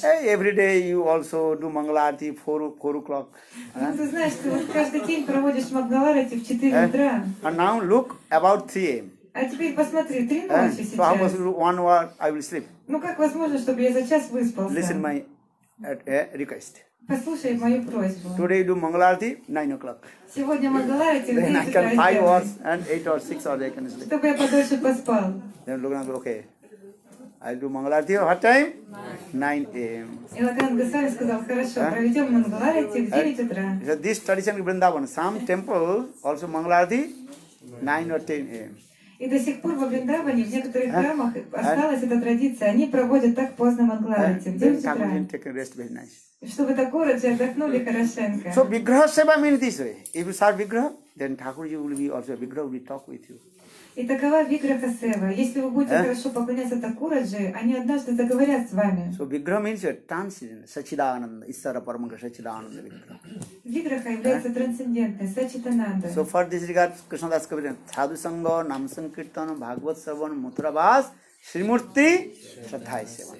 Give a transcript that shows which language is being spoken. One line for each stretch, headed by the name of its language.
English: Hey, every day you also do Mangalarti 4 o'clock.
Russian: Ты знаешь, ты каждый день проводишь Мангаларти в 4 утра.
English: And now look about 3 a.m.
Russian: А теперь посмотри, 3 ночи сейчас.
English: So how possible 1 hour I will sleep?
Russian: Ну как возможно, чтобы я за час выспался?
English: Listen my request.
Russian: Послушай мою просьбу.
English: Today you do Mangalarti 9 o'clock.
Russian: Сегодня Мангаларти 9 утра.
English: Then I can 5 hours and 8 or 6 hours I can sleep.
Russian: Чтобы я подольше поспал.
English: Then look and go, okay. I do Mangalarti. What time? 9 a.m.
Russian: И Локнат Госвами сказал, хорошо, проведем Мангаларти в 9 утра.
English: So this tradition in Vrindavan, some temple also Mangalarti 9 or 10 a.m.
Russian: И до сих пор во Вриндаване, в некоторых храмах осталась эта традиция, они проводят так поздно Мангаларти, в 9 утра.
English: Take a rest very nice.
Russian: Чтобы так городцы отдохнули хорошенько.
English: So Vigraha Seva means this way. If you serve Vigraha, then Thakurji will be also Vigraha will talk with you.
Russian: И такова Vigraha Seva. Если вы будете хорошо поклоняться Такураджи, они однажды заговорят с вами.
English: So Vigraha means your transcendent, Сачидананда, Иссара Парамангра, Сачидананда Vigraha.
Russian: Vigraha является трансцендентной, Сачитананда.
English: So for this regard, Krishna Das
Russian: говорит,
English: Thadu Sangha, Nam Sankirtana, Bhagavat Savan, Mutra Vas, Shrimurti, Shraddhai Seva.